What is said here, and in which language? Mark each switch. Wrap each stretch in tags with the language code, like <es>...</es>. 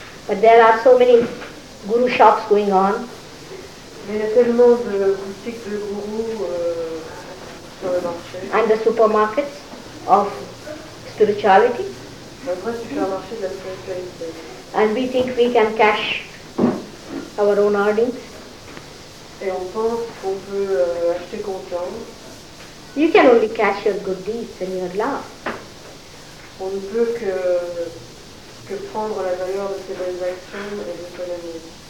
<en>But there are so many guru shops going on.</en> <fr>Mais il y a tellement de boutiques de gurus sur le marché.</fr> <en>And the supermarkets of spirituality. And we think we can cash our own earnings.</en> <fr>Et on pense qu'on peut acheter comptant.</fr> <en>You can only cash your good deeds and your love.</en> <fr>On ne peut que prendre la valeur de ses bonnes actions et de son amour.</fr>